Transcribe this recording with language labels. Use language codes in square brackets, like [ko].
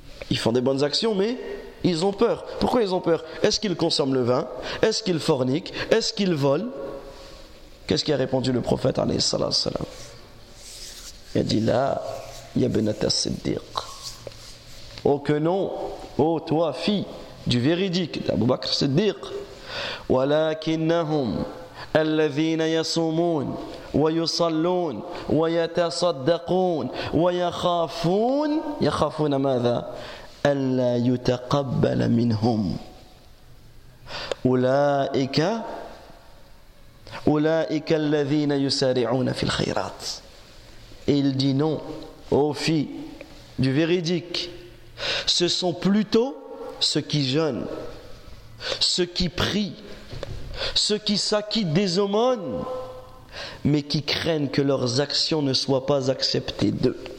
[fr] Ils font des bonnes actions, mais ils ont peur. Pourquoi ils ont peur? Est-ce qu'ils consomment le vin? Est-ce qu'ils forniquent? Est-ce qu'ils volent? Qu'est-ce qu'a répondu le prophète alayhi salam? Il a dit: [ar] là, yabnat as-siddiq. [fr] Oh que non, oh toi, fille du véridique, d'Abu Bakr Siddiq. [ar] Walakinnahum. الذين يصومون ويصلون ويتصدقون ويخافون يخافون ماذا ألا يتقبل منهم أولئك الذين يسارعون في الخيرات. [fr] Il dit: non, ô fille du véridique, ce sont plutôt ceux qui jeûnent, ceux qui prient, ceux qui s'acquittent des aumônes, mais qui craignent que leurs actions ne soient pas acceptées d'eux.